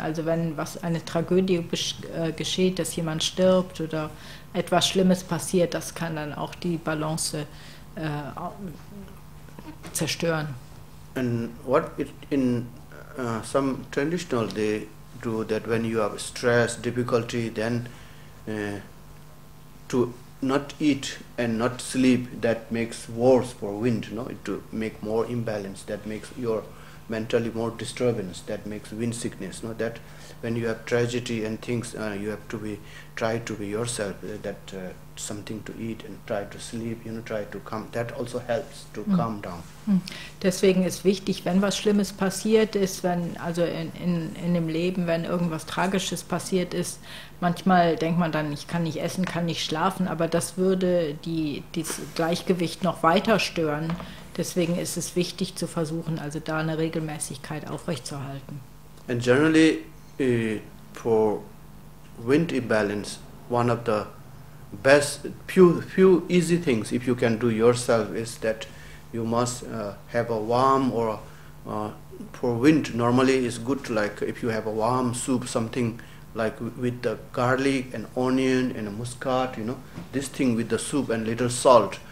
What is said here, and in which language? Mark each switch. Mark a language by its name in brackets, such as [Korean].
[German] Also wenn was eine Tragödie geschieht, dass jemand stirbt oder etwas Schlimmes passiert, das kann dann auch die Balance zerstören. [English] And what it in some traditional they do that when you have stress, difficulty, then to not eat and not sleep, that makes worse for wind, no? It to make more imbalance, that makes your mentally more disturbance, that makes wind sickness, no? That when you have tragedy and things, you have to be try to be yourself, that something to eat and try to sleep, you know, try to calm, that also helps to calm down. [German] Deswegen ist wichtig, wenn was Schlimmes passiert ist, wenn also in dem Leben, wenn irgendwas Tragisches passiert ist, manchmal denkt man dann, ich kann nicht essen, kann nicht schlafen, aber das würde das Gleichgewicht noch weiter stören. Deswegen ist es wichtig zu versuchen, also da eine Regelmäßigkeit aufrechtzuerhalten. [English] And generally for wind imbalance, one of the best few easy things if you can do yourself is that you must have a warm or for wind normally is good, like if you have a warm soup, something like with the garlic and onion and a muscat, you know, this thing with the soup and little salt.